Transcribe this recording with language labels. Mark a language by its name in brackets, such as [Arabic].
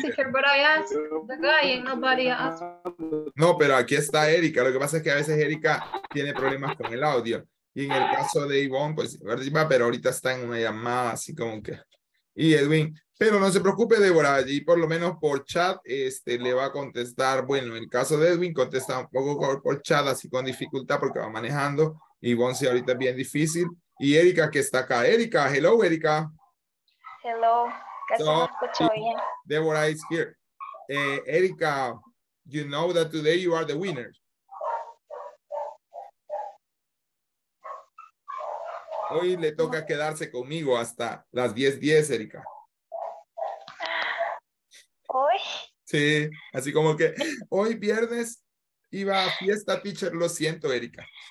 [English] Teacher, but I asked the guy and nobody asked. [Spanish] No, pero aquí está Erika. Lo que pasa es que a veces Erika tiene problemas con el audio. Y en el caso de Yvonne, pues, pero ahorita está en una llamada, así como que... Y Edwin, pero no se preocupe, Débora, y por lo menos por chat le va a contestar. Bueno, en el caso de Edwin, contesta un poco por chat, así con dificultad, porque va manejando. Y Bonsi ahorita es bien difícil. Y Erika, que está acá. Erika, hello, Erika. Hello, casi no escucho bien. [English] Débora is here. Erika, you know that today you are the winner. [Spanish] Hoy le toca quedarse conmigo hasta las 10:10, Erika. ¿Hoy? Sí, así como que hoy viernes iba a fiesta, teacher. Lo siento, Erika.